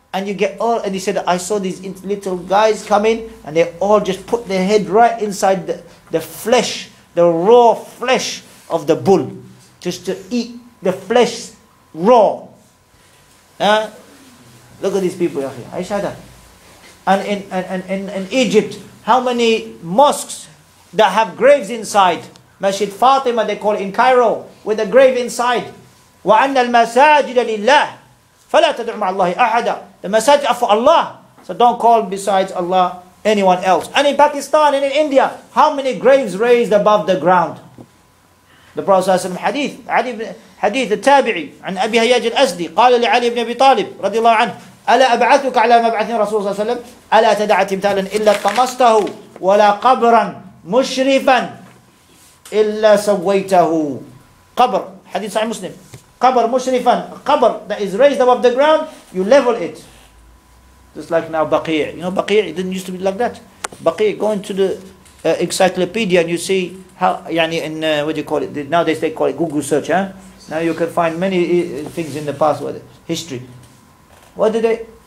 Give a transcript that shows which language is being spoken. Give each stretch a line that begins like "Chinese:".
English: And you get all, and he said, I saw these little guys come in, and they all just put their head right inside the flesh, the raw flesh of the bull, just to eat the flesh raw. Look at these people, Yahya. Aishada. And in Egypt, how many mosques that have graves inside? Masjid Fatima, they call it in Cairo. with a grave inside.
Arabic: وأن المساجد لله فلا تدع مع الله أحدا.
English: The masajid are for Allah. So don't call besides Allah anyone else. And in Pakistan and in India, how many graves raised above the ground? The Prophet ﷺ hadith,
Arabic: hadith al-Tabi'i, عن أبي هياج الأسدي, قال لعلي بن أبي طالب رضي الله عنه, ألا أبعثك على ما بعثني رسول صلى الله عليه وسلم, ألا تدع تمثالا إلا طمسته ولا قبرا مشرفا إلا سويته. قبر, حديث صحيح مسلم, قبر مشرفا, قبر
English: that is raised above the ground, you level it. Just like now, Baqi'. You know Baqi'? It didn't used to be like that. Baqi', go into the encyclopedia and you see how, yani, in, what do you call it? Nowadays they call it Google search, huh? Now you can find many things in the past, what, history. What did they?